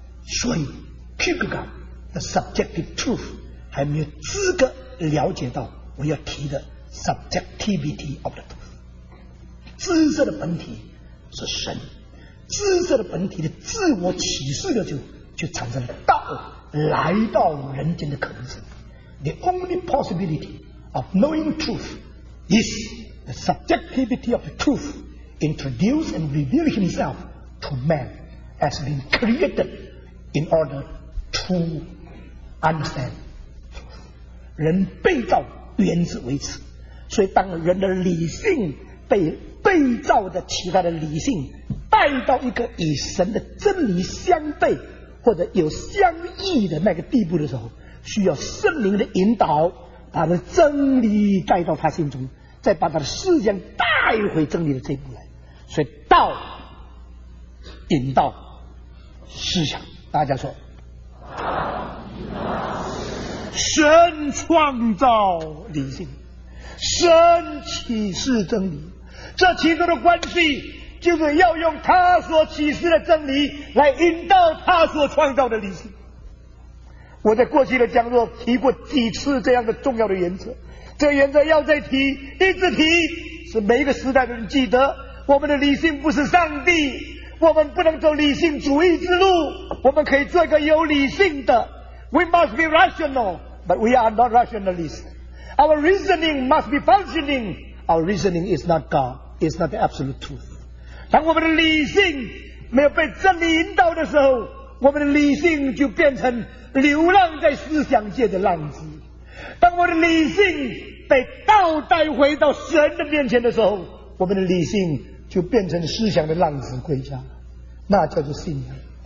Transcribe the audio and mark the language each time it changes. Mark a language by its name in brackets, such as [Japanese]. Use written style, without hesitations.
[Chinese] 所以 Kierkegaard 的 [English] subjective truth [Chinese] 还没有资格了解到我要提的 [English] subjectivity of the truth。 [Chinese] 知识的本体是神，知识的本体的自我启示的就产生了道来到人间的可能性。 [English] The only possibility of knowing truth is the subjectivity of the truth introduced and revealed himself to man as being created in order to understand truth。 [Chinese] 人被造原是为此，所以当人的理性被造的其他的理性带到一个与神的真理相悖或者有相异的那个地步的时候，需要圣灵的引导，把他的真理带到他心中，再把他的思想带回真理的这一步来。所以道引导思想，大家说，神创造理性，神启示真理，这其中的关系就是要用他所启示的真理来引导他所创造的理性。我在过去的讲座提过几次这样的重要的原则，这个原则要再提，一直提，是每一个时代的人记得，我们的理性不是上帝，我们不能走理性主义之路，我们可以做一个有理性的。 [English] We must be rational, but we are not rationalists. Our reasoning must be functioning. Our reasoning is not God, it's not the absolute truth. [Chinese] 当我们的理性没有被真理引导的时候，我们的理性就变成流浪在思想界的浪子。当我们的理性被倒带回到神的面前的时候，我们的理性就变成思想的浪子归家，那叫做信仰。